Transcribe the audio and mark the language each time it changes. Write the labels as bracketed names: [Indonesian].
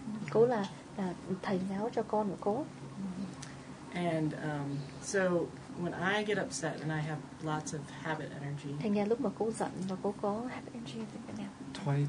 [Vietnamese] Cô là thầy giáo cho con của cô. [English] And so when I get upset and I have lots of habit energy. [Vietnamese] Thành ra lúc mà cô giận và cô có [English] habit energy [Vietnamese] thì cái nào?